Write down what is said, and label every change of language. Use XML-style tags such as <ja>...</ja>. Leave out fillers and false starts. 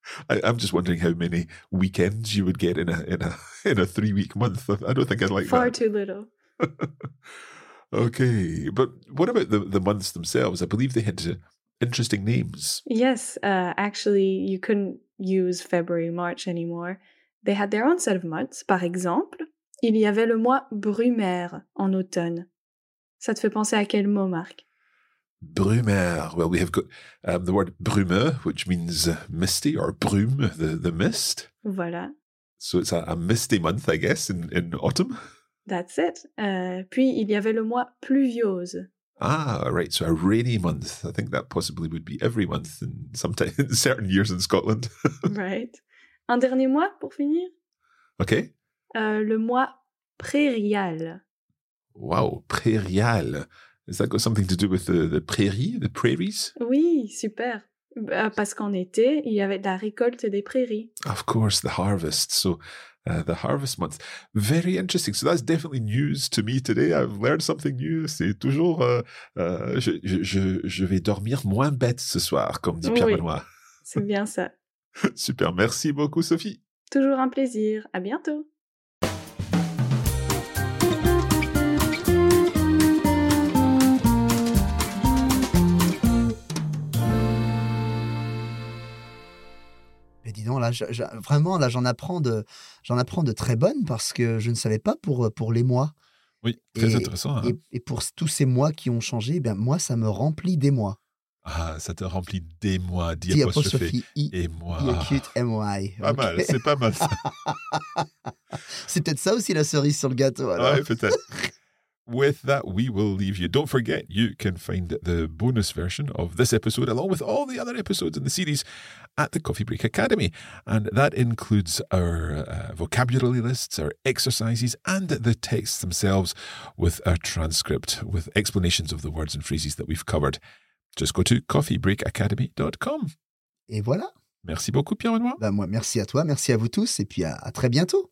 <en>I'm just wondering how many weekends you would get in a 3 week month. I don't think I'd like far that. Far too little. Okay, but what about the months themselves? I believe they had interesting names. Yes, actually, you couldn't use February, March anymore. They had their own set of months.</en> <fr>Par exemple, il y avait le mois Brumaire en automne. Ça te fait penser à quel mot, Marc? Brumaire.</fr> <en>Well, we have got the word brumeux, which means misty or brume, the mist.</en> <fr>Voilà.</fr> <en>So it's a misty month, I guess, in autumn. That's it.</en> <fr>Puis il y avait le mois pluviose.</fr> <en>Ah, right. So a rainy month. I think that possibly would be every month in sometimes in certain years in Scotland. Right.</en> <fr>Un dernier mois pour finir.</fr> <en>Okay.</en> <fr>Le mois prairial.</fr> <en>Wow, prairial. Has that got something to do with the prairie, the prairies?</en> <fr>Oui, super. Parce qu'en été, il y avait la récolte des prairies.</fr> <en>Of course, the harvest. So, the harvest month. Very interesting. So that's definitely news to me today. I've learned something new.</en> <fr>C'est toujours... Je vais dormir moins bête ce soir, comme dit Pierre Benoît. C'est bien ça. Super. Merci beaucoup, Sophie. Toujours un plaisir. À bientôt. Non, là, vraiment, j'en apprends de très bonnes parce que je ne savais pas pour les mois. Oui, très intéressant. Hein? Et pour tous ces mois qui ont changé, eh bien, moi, ça me remplit des mois. Ah, ça te remplit des mois, diapostrophe et moi. Y-A-Q-T-M-Y. Pas mal, c'est pas mal ça. C'est peut-être ça aussi la cerise sur le gâteau. Alors. Ouais, peut-être.</fr> <en>With that, we will leave you. Don't forget, you can find the bonus version of this episode, along with all the other episodes in the series, at the Coffee Break Academy. And that includes our vocabulary lists, our exercises, and the texts themselves with a transcript, with explanations of the words and phrases that we've covered. Just go to coffeebreakacademy.com.</en> <fr>Et voilà. Merci beaucoup, Pierre-Benoît. Ben moi, merci à toi, merci à vous tous, et puis à très bientôt.</fr>